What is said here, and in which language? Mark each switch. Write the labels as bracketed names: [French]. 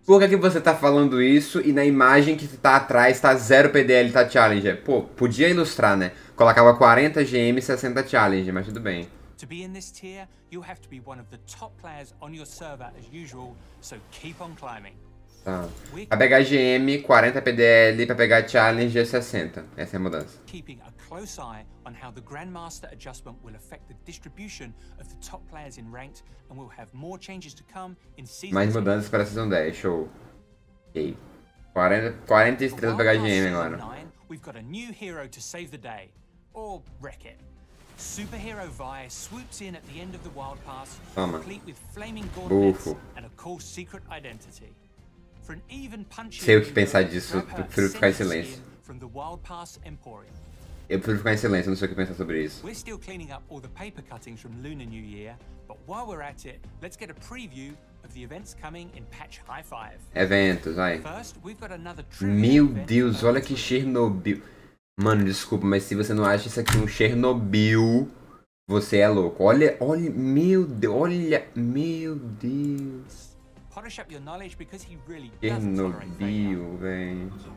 [Portuguese] Por que você tá falando isso e na imagem que tá atrás tá 0 PDL, tá challenger? Pô, podia ilustrar, né? Colocava 40 GM e 60 challenger, mas tudo bem. [English] To be in this tier, you have to be one of the top players on your server as usual, so keep on climbing. Tá. [Portuguese] Pra pegar GM, 40 PDL, pra pegar challenge, 60. Essa é a mudança. [English] Keeping a close eye on how the Grandmaster adjustment will affect the distribution of the top players in ranked, and we'll have more changes to come in season 10. [Portuguese] Mais mudanças para a season 10, show. [English] Ok. [Portuguese] 40 estrelas pra pegar GM agora. [English] We've got a new hero to save the day. Or wreck it. Superhero Vi swoops in at the end of the wild pass, complete with flaming gauntlets and a cool secret identity. [Portuguese] Sei o que pensar disso, eu prefiro ficar em silêncio. Não sei o que pensar sobre isso. [English] We're still cleaning up all the paper cuttings from Lunar New Year, but while we're at it, let's get a preview of the events coming in Patch High Five. [Portuguese] Eventos, vai. [English] First, we've got another trivia. [Portuguese] Meu Deus, olha que Chernobyl. Mano, desculpa, mas se você não acha isso aqui um Chernobyl, você é louco. Olha, meu Deus. [English] Polish up your knowledge because he really doesn't tolerate failure.